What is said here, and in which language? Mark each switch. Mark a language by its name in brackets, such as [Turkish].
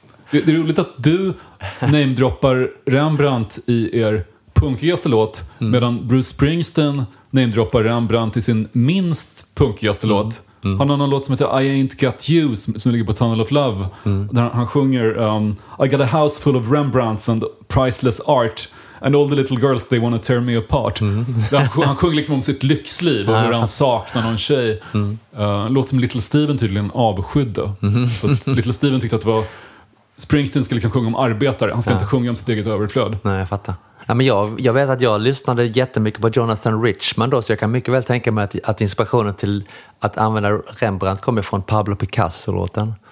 [Swedish] Det är roligt att du namedroppar Rembrandt i er punkigaste låt, medan Bruce Springsteen namedroppar Rembrandt i sin minst punkigaste låt. Han har någon låt som heter I Ain't Got You som ligger på Tunnel of Love, där han sjunger [English] I got a house full of Rembrandts and priceless art. And all the little girls, they want to tear me apart. [Swedish] Han sjunger liksom om sitt lyxliv och hur han saknar någon tjej. Låt som Little Steven tydligen avskydde. Little Steven tyckte att det var... Springsteen ska liksom sjunga om arbetare. Han ska inte sjunga om sitt eget överflöd. Nej, jag fattar. Ja, men jag vet att jag lyssnade jättemycket på Jonathan Richman då, så jag kan mycket väl tänka mig att inspirationen till att använda Rembrandt kommer från Pablo Picasso-låten.